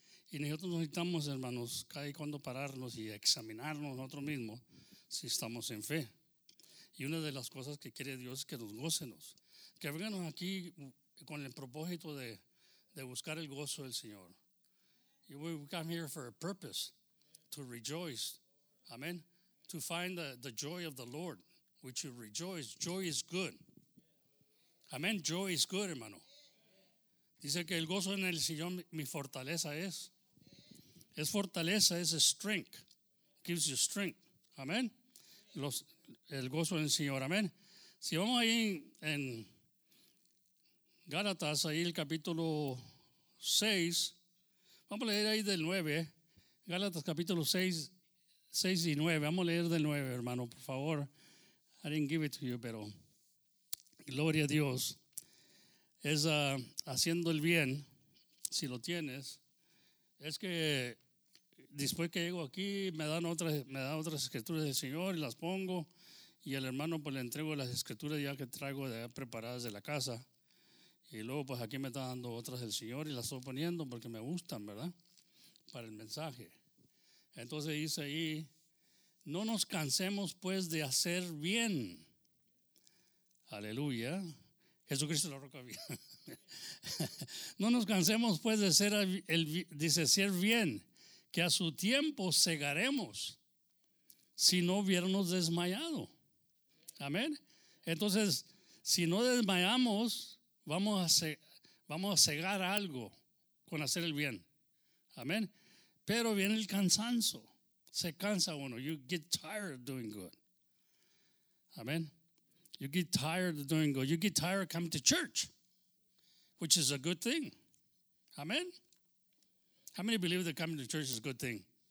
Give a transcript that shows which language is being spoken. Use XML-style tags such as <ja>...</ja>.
<es>Y nosotros necesitamos, hermanos, cada y cuando pararnos y examinarnos nosotros mismos si estamos en fe. Y una de las cosas que quiere Dios es que nos gocemos. Que vengamos aquí con el propósito de buscar el gozo del Señor.</es> <en>We come here for a purpose, to rejoice. Amen. To find the joy of the Lord, which you rejoice. Joy is good. Amen. Joy is good, hermano.</en> <es>Dice que el gozo en el Señor mi fortaleza es. Es fortaleza, es strength.</es> <en>Gives you strength.</en> <es>Amen. El gozo en el Señor. Amen. Si vamos ahí en Gálatas, ahí el capítulo 6. Vamos a leer ahí del 9. Gálatas capítulo 6 y 9. Vamos a leer del 9, hermano, por favor.</es> <en>I didn't give it to you,</en> <es>pero gloria a Dios. Es haciendo el bien, si lo tienes. Es que después que llego aquí, me dan otras escrituras del Señor y las pongo. Y el hermano, pues le entrego las escrituras ya que traigo ya preparadas de la casa. Y luego, pues aquí me está dando otras del Señor y las estoy poniendo porque me gustan, ¿verdad? Para el mensaje. Entonces dice ahí, no nos cansemos pues de hacer bien. Aleluya. Jesucristo la roca bien. No nos cansemos pues de hacer hacer bien, que a su tiempo segaremos si no hubiéramos desmayado. Amén. Entonces, si no desmayamos, vamos a segar algo con hacer el bien. Amén. Pero viene el cansancio. Se cansa uno.</es> <en>You get tired of doing good. Amén. You get tired of doing good. You get tired of coming to church, which is a good thing. Amén. How many believe that coming to church is a good thing?</en>